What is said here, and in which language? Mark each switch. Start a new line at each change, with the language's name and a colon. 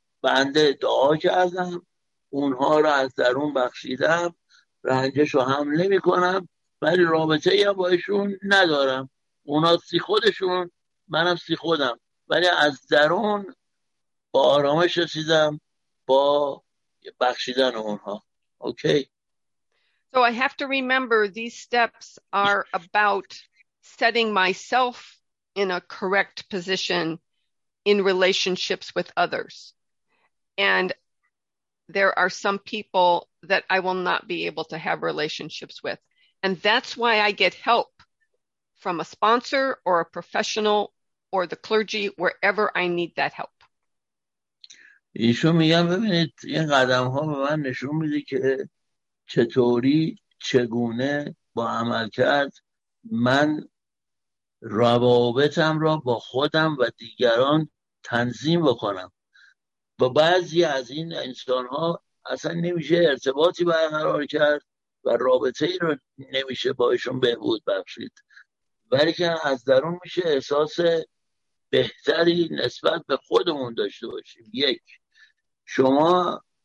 Persian: بنده دعا کردم اونها رو از درون بخشیدم رنجش رو هم نمی کنم ولی رابطه ای هم با ایشون ندارم. اونا سی خودشون منم سی خودم ولی از درون با آرامش رسیدم با بخشیدن اونها اوکی
English: So I have to remember these steps are about setting myself in a correct position in relationships with others and there are some people that I will not be able to have relationships with and that's why I get help from a sponsor or a professional or the clergy wherever I need that help.
Persian: ایشون میگم ببینید این قدم ها به من نشون میده که چطوری چگونه با عمل کرد من روابطم را با خودم و دیگران تنظیم بکنم و بعضی از این انسان ها اصلا نمیشه ارتباطی برقرار کرد و رابطه ای رو نمیشه با ایشون بهبود بخشید بلکه از درون میشه احساس بهتری نسبت به خودمون داشته باشیم یک شما